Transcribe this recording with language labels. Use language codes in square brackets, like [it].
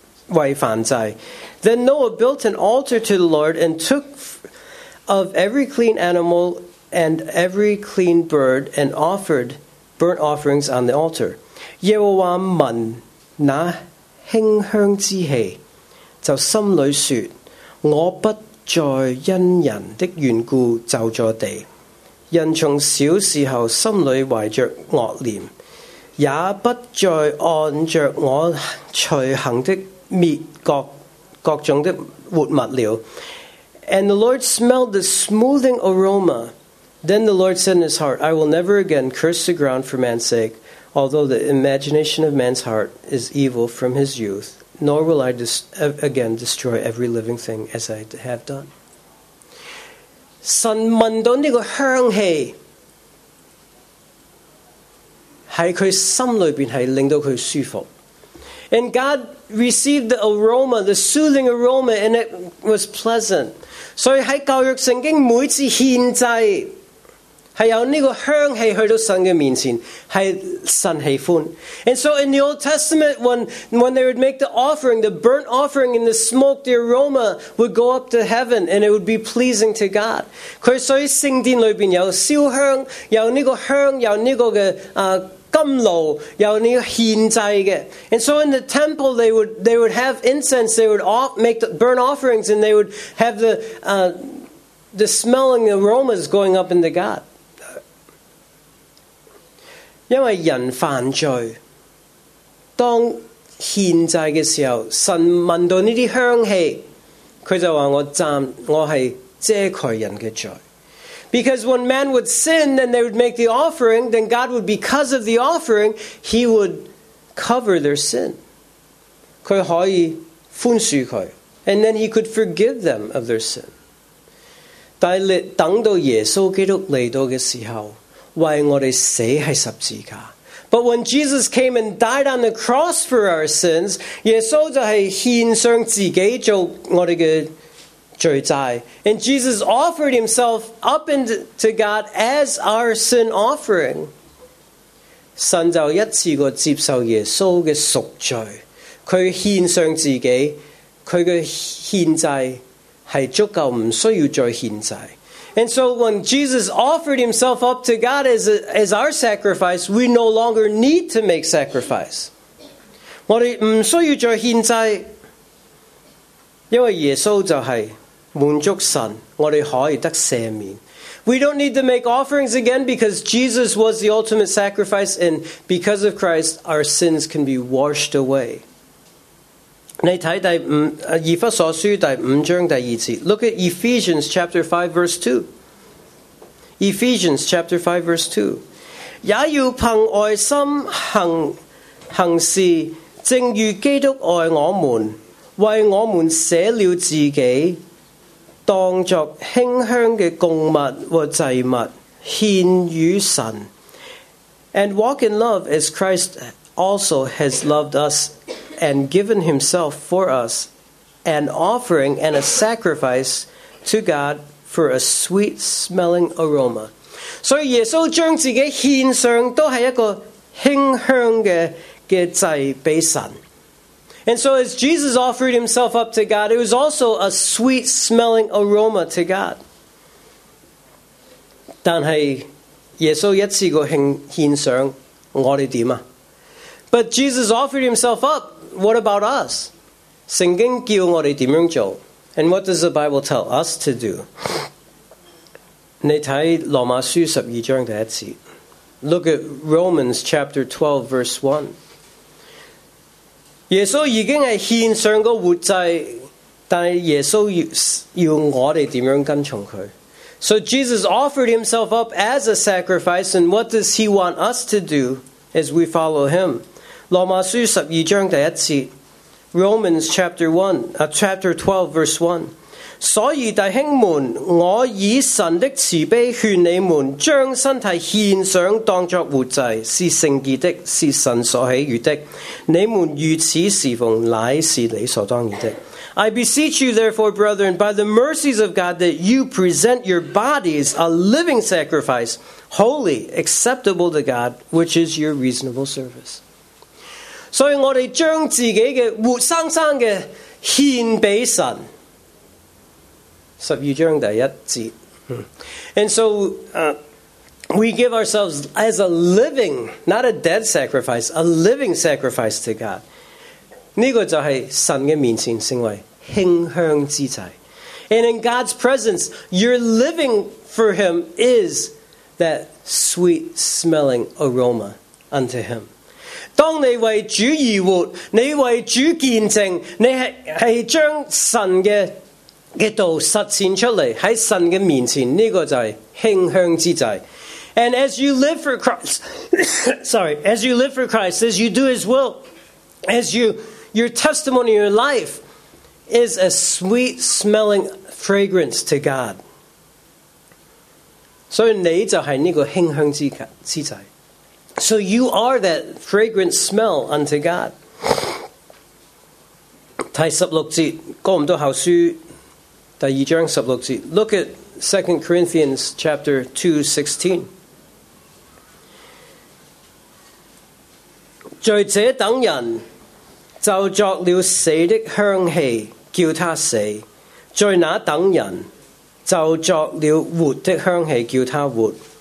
[en] Then Noah built an altar to the Lord and took of every clean animal and every clean bird and offered burnt offerings on the altar. [zh] 耶和华闻那馨香之气，就心里说：我不再因人的缘故咒诅地。人从小时候心里怀着恶念。也不再按着我随行的灭各种的活物了。 [en] And the Lord smelled the smoothing aroma. Then the Lord said in his heart, I will never again curse the ground for man's sake, although the imagination of man's heart is evil from his youth, nor will I again destroy every living thing as I have done. [zh] 神闻到这个香气在他心里面是令到他舒服。 [en] And God received the aroma, the soothing aroma, and it was pleasant. [zh] 所以在旧约圣经每次献祭是有这个香气去到神的面前，是神喜欢。 [en] And so in the Old Testament, when they would make the offering, the burnt offering and the smoke, the aroma would go up to heaven and it would be pleasing to God. [zh] 所以圣殿里面有烧香，有这个香，有这个的金炉，有那个献祭的。 [en] And so in the temple, they would have incense, they would make the burnt offerings, and they would have the smelling aromas going up into God. [zh] 因为人犯罪，当献祭的时候，神闻到这些香气，他就说我是遮盖人的罪。 [en] Because when man would sin, then they would make the offering, then God would, because of the offering, he would cover their sin. [zh] 他可以宽恕他。 [en] And then he could forgive them of their sin. [zh] 但是等到耶稣基督来到的时候，为我们死在十字架。 [en] But when Jesus came and died on the cross for our sins, [zh] 耶稣就是献上自己做我们的罪债。 [en] And Jesus offered himself up into God as our sin offering. [zh] 神就一次过接受耶稣的赎罪，他献上自己，他的献祭是足够，不需要再献祭。 [en] And so when Jesus offered himself up to God as our sacrifice, we no longer need to make sacrifice. [zh] 我们不需要再献祭，因为耶稣就是满足神，我们可以得赦免。 [en] We don't need to make offerings again because Jesus was the ultimate sacrifice, and because of Christ, our sins can be washed away. [zh] 你看第五以弗所书第五章第二节。 [en] Look at Ephesians chapter 5 verse 2. Ephesians chapter 5 verse 2. [zh] 也要凭爱心行事，正如基督爱我们，为我们舍了自己。当作馨香的供物和祭物献与神。 [en] And walk in love as Christ also has loved us and given himself for us, an offering and a sacrifice to God for a sweet smelling aroma. [zh] 所以耶稣将自己献上都是一个馨香的祭给神。 [en] And so as Jesus offered himself up to God, it was also a sweet-smelling aroma to God. [zh] 但是耶稣一次过献上，我们怎样？ [en] But Jesus offered himself up, what about us? [zh] 圣经叫我们怎样做？ [en] And what does the Bible tell us to do? [zh] 你看罗马书十二章第一节。 [en] Look at Romans chapter 12 verse 1. [zh] 耶稣已经是献上个活祭，但耶稣 要我们怎样跟从他。 [en] So Jesus offered himself up as a sacrifice, and what does he want us to do as we follow him? [zh] 罗马书十二章第一节。 [en] Romans chapter 1, chapter 12 verse 1. [zh] 所以弟兄们，我以神的慈悲劝你们，将身体献上当作活祭，是圣洁的，是神所喜悦的，你们如此侍奉乃是理所当然的。 [en] I beseech you therefore, brethren, by the mercies of God, that you present your bodies a living sacrifice, holy, acceptable to God, which is your reasonable service. [zh] 所以我们将自己的活生生的献给神。十二章第一节。 [en] And so, we give ourselves as a living, not a dead sacrifice, a living sacrifice to God. [zh] 这个就是神的面前称为馨香之祭。 [en] And in God's presence, your living for him is that sweet smelling aroma unto him. [zh] 当你为主而活，你为主见证，你 是将神的道实践出来，在神的面前，这个就是馨香之祭。 [en] And as you live for Christ, sorry, as you live for Christ, as you do his will, as you, your testimony, your life is a sweet smelling fragrance to God. [zh] So, 你就是这个馨香之祭。 [en] So you are that fragrant smell unto God. [zh] 第十六节，哥林多后书第二章十六节。 [en] Look at 2 Corinthians chapter 2:16. [zh] 罪者等人就作了死的香气，叫他死；罪那等人就作了活的香气，叫他活。